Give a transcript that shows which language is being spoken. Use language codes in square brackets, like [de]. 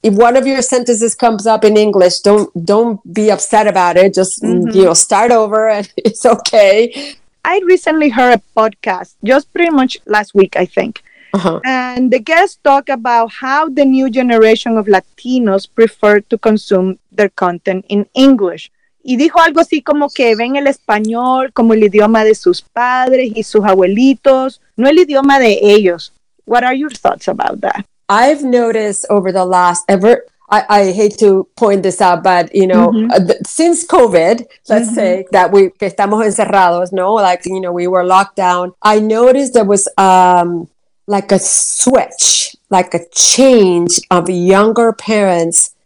[en] If one of your sentences comes up in English, don't be upset about it. Just, mm-hmm. you know, start over and it's okay. I recently heard a podcast, just pretty much last week, I think. Uh-huh. And the guests talk about how the new generation of Latinos prefer to consume their content in English. [es] Y dijo algo así como que ven el español como el idioma de sus padres y sus abuelitos, no el idioma de ellos. [en] What are your thoughts about that? I've noticed over the last ever, I hate to point this out, but, you know, mm-hmm. Since COVID, let's mm-hmm. say that [es] que estamos encerrados, no? [en] Like, you know, we were locked down. I noticed there was like a switch, like a change of younger parents